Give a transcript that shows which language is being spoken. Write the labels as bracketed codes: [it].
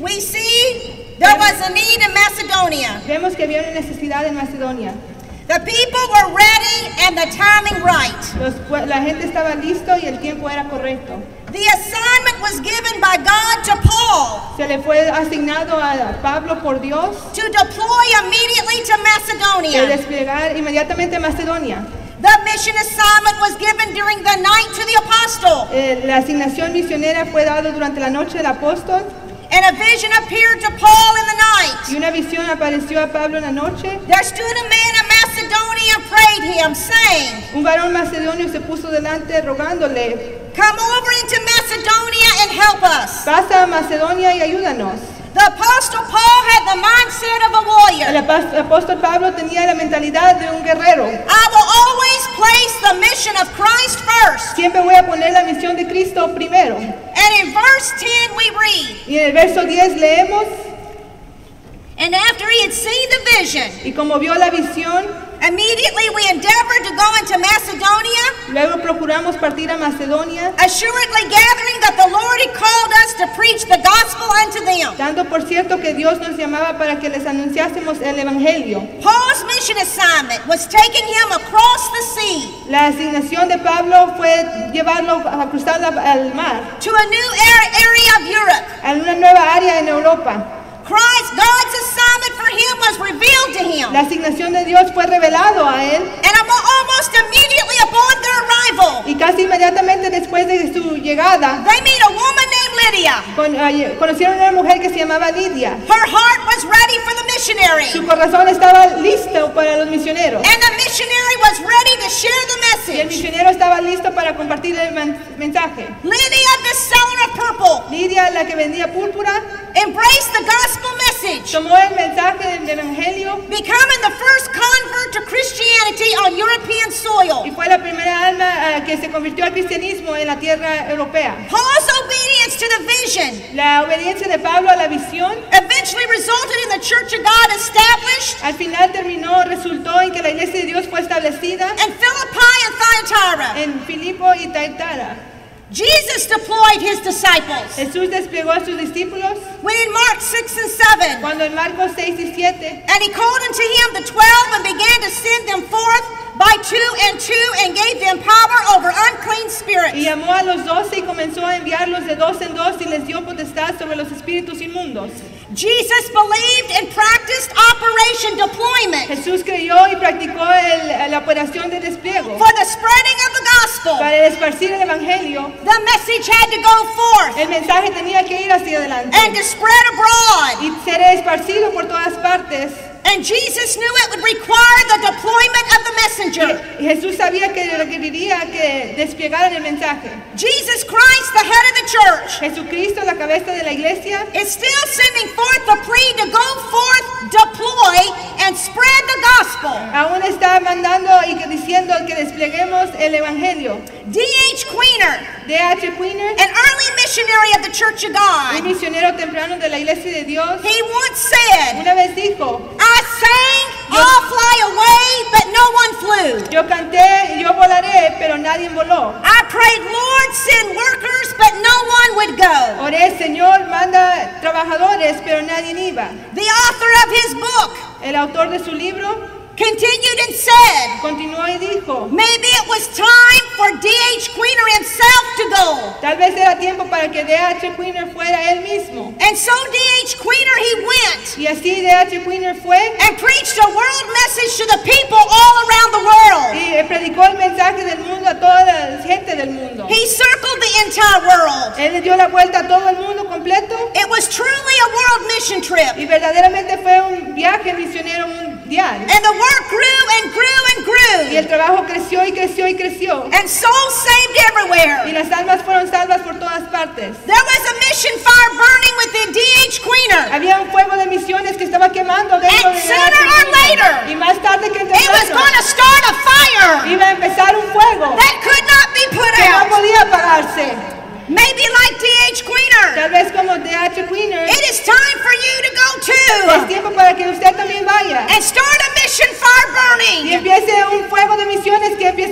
[en] we see there was a need in Macedonia. [es] Vemos que había una necesidad en Macedonia. [en] The people were ready and the timing right. [es] La gente estaba listo y el tiempo era correcto. [en] The assignment was given by God to Paul. [es] Se le fue asignado a Pablo por Dios. [en] To deploy immediately to Macedonia. [es] De desplegar inmediatamente a Macedonia. [en] The mission assignment was given during the night to the apostle. [es] La asignación misionera fue dada durante la noche del apóstol. [en] And a vision appeared to Paul in the night. [es] Y una visión apareció a Pablo en la noche. [en] There stood a man of Macedonia and prayed him, saying, [es] un varón macedonio se puso delante rogándole, [en] come over into Macedonia and help us. [es] Pasa a Macedonia y ayúdanos. [en] The apostle Paul had the mindset of a warrior. [es] El apóstol Pablo tenía la mentalidad de un guerrero. [en] I will always place the mission of Christ first. [es] Siempre voy a poner la misión de Cristo primero. [en] And in verse 10 we read. [es] Y en el verso 10 leemos. [en] And after he had seen the vision. [es] Y como vio la visión. [en] Immediately we endeavored to go into Macedonia. [es] Luego procuramos partir a Macedonia. [en] Assuredly gathering that the Lord had called us to preach the gospel unto them. [es] Dando por cierto que Dios nos llamaba para que les anunciásemos el evangelio. [en] Paul's mission assignment was taking him across the sea. [es] La asignación de Pablo fue llevarlo a cruzar el mar. [en] To a new area of Europe. [es] A una nueva área en Europa. [en] Christ, God's assignment for him was revealed to him. [es] La asignación de Dios fue revelado a él. [en] And almost immediately upon their arrival. [es] Y casi inmediatamente después de su llegada. [en] They meet a woman named Lydia. [es] Conocieron a una mujer que se llamaba Lidia. [en] Her heart was ready for the missionary. [es] Su corazón estaba listo para los misioneros. [en] And the missionary was ready to share the message. [es] Y el misionero estaba listo para compartir el mensaje. [en] Lydia, the seller of purple. [es] Lidia, la que vendía púrpura. [en] Embraced the gospel message. [es] Tomó el mensaje del evangelio. [en] Becoming the first convert to Christianity on European soil. [es] Y fue la primera alma que se convirtió al cristianismo en la tierra europea. [en] Paul's obedience to the vision. [es] La obediencia de Pablo a la visión. [en] Eventually resulted in the Church of God established. [es] Al final terminó, resultó en que la iglesia de Dios fue establecida. [en] And Philippi and Thyatira. [es] En Filipo y Thyatira. [en] Jesus deployed his disciples. [es] Jesús desplegó a sus discípulos. [en] When in Mark 6 and 7. [es] Cuando en Marcos 6 y 7. [en] And he called unto him the 12 and began to send them forth by two and two and gave them power over unclean spirits. [es] Y llamó a los 12 y comenzó a enviarlos de dos en dos y les dio potestad sobre los espíritus inmundos. [en] Jesus believed and practiced operation deployment. [es] Jesús creyó y practicó la operación de despliegue. [en] For the spreading of the gospel. [es] Para el esparcir el evangelio. [en] The message had to go forth. [es] El mensaje tenía que ir hacia adelante. [en] And to spread abroad. [es] Y ser esparcido por todas partes. [en] And Jesus knew it would require the deployment of the messenger. [es] Jesús sabía que requeriría que desplegaran el mensaje. [en] Jesus Christ, the head of the church. [es] Jesucristo, la cabeza de la iglesia. [en] Is still sending forth the plea to go forth, deploy, and spread the gospel. [es] Aún está mandando y diciendo que despleguemos el evangelio. [en] D.H. Quiner. [es] D.H. Quiner. [en] An early missionary of the Church of God. [es] Un misionero temprano de la iglesia de Dios. [en] He once said. [es] Una vez dijo. [en] I sang, I'll fly away, but no one flew. [es] Yo canté, yo volaré, pero nadie voló. [en] I prayed, Lord, send workers, but no one would go. [es] Oré, Señor, manda trabajadores, pero nadie iba. [en] The author of his book. [es] El autor de su libro. [en] continued and said, [es] continuó y dijo, [en] maybe it was time for D.H. Queener himself to go. [es] Tal vez era tiempo para que D.H. Queener fuera él mismo. [en] And so D.H. Queener, he went. [es] Y así D.H. Queener fue. [en] And preached a world message to the people all around the world. [es] Y predicó el mensaje del mundo a toda la gente del mundo. [en] He circled the entire world. [es] Él le dio la vuelta a todo el mundo completo. [en] It was truly a world mission trip. [es] Y verdaderamente fue un viaje misionero mundial. [en] And the work grew and grew and grew. [es] Y el trabajo creció y creció y creció. [en] And souls saved everywhere. [es] Y las almas fueron salvas por todas partes. [en] There was a mission fire burning within D.H. Queener. [es] Había un fuego de misiones que estaba quemando dentro de él. [en] And sooner or later, [es] y más tarde que temprano, [en] it was going to start a fire. [es] Iba a empezar un fuego. [en] That could not be put out. [es] Que no podía apagarse. [en] Maybe like D.H. Queener. [es] Tal vez como D.H. Queener. [en] It is time for you to go too. [es] Es tiempo para que usted también vaya. [en] And start a mission fire burning. [es] Y empiece un fuego de misiones que empiece